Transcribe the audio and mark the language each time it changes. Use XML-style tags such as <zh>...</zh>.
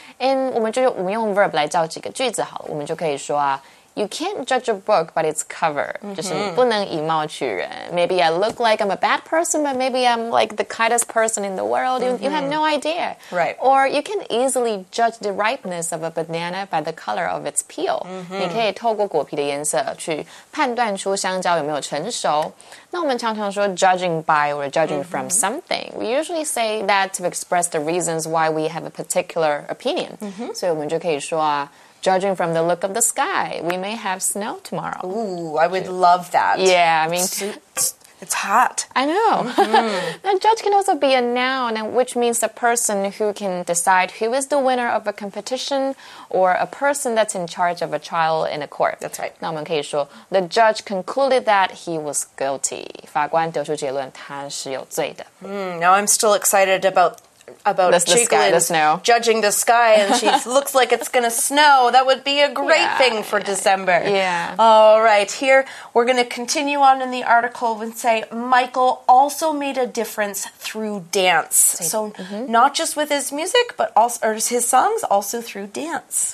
<zh>And 我们用 verb 来造几个句子好了。我们就可以说啊,</zh> <en>you can't judge a book by its cover.</en> <zh>就是不能以貌取人。</zh> <en>Maybe I look like I'm a bad person, but maybe I'm like the kindest person in the world. You have no idea. Right. Or you can easily judge the ripeness of a banana by the color of its peel.</en> <zh>你可以透过果皮的颜色去判断出香蕉有没有成熟。那我们常常说</zh> <en>judging by or judging from something. We usually say that to express the reasons why we have a particular opinion.</en> <zh>所以我们就可以说啊,</zh> <en>judging from the look of the sky, we may have snow tomorrow. Ooh, I would love that. Yeah, I mean, it's hot. I know. Now, judge can also be a noun, which means a person who can decide who is the winner of a competition or a person that's in charge of a trial in a court. That's right.</en> <zh>那我们可以说,</zh> <en>the judge concluded that he was guilty.</en> <zh>法官得出结论他是有罪的。</zh> <en>Now I'm still excited about the sky, the snow. Judging the sky and she looks like it's gonna snow. That would be a great thing for December. Yeah. All right, here we're gonna continue on in the article and say Michael also made a difference through dance. So not just with his music, but also or his songs, also through dance.</en>